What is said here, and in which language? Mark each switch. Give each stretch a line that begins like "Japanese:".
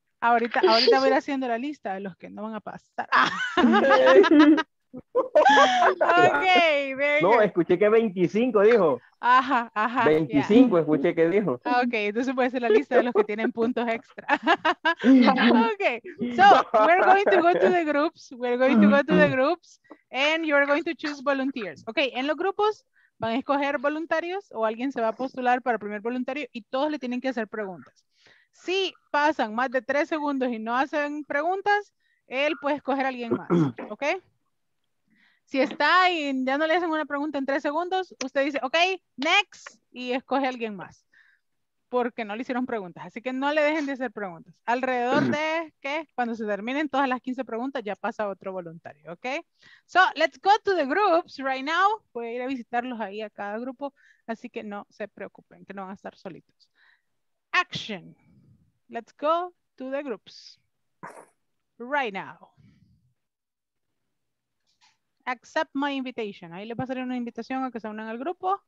Spanish: Ahorita voy haciendo la lista de los que no van a pasar.
English: Okay, very no, good.
Spanish: Escuché que 25 dijo. Ajá. 25, yeah. Escuché que dijo. Ok, entonces puede ser la lista de los que tienen puntos extra.
English: Ok, so we're going to go to the groups. We're going to go to the groups and you're going to choose volunteers.
Spanish: Ok, en los grupos van a escoger voluntarios o alguien se va a postular para el primer voluntario y todos le tienen que hacer preguntas. Si pasan más de 3 segundos y no hacen preguntas, él puede escoger a alguien más. Ok. Si está y ya no le hacen una pregunta en 3 segundos, usted dice, ok, next, y escoge a alguien más. Porque no le hicieron preguntas, así que no le dejen de hacer preguntas. Alrededor de, ¿qué? Cuando se terminen todas las 15 preguntas, ya pasa otro voluntario, ok.
English: So, let's go to the groups right now.
Spanish: Voy a ir a visitarlos ahí a cada grupo, así que no se preocupen, que no van a estar solitos.
English: Action. Let's go to the groups. Right now. Accept my invitation.
Spanish: Ahí le pasaré una invitación a que se unan al grupo.